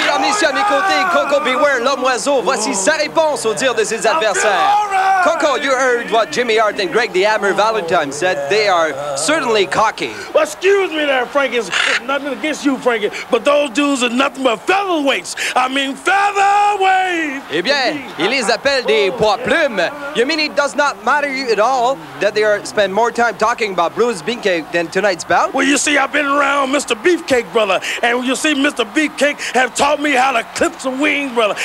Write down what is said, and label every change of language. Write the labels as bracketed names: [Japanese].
[French] aussi à mes côtés, Koko B Ware, l'homme oiseau. Voici sa réponse au tir de ses adversaires. [English] Koko, you heard what Jimmy Hart and Greg the Hammer Valentine said. They are certainly cocky. Well, excuse me there, Frankie. It's nothing against you, Frankie. But those dudes are nothing but featherweights. I mean, featherweights! [French] Eh bien, il les appelle des poids-plumes. [English] You mean it does not matter you at all that they are spend more time talking about Blue's Beefcake than tonight's bout? Well, you see, I've been around Mr. Beefcake, brother. And you see, Mr. Beefcake has taught me how to clip some wings, brother.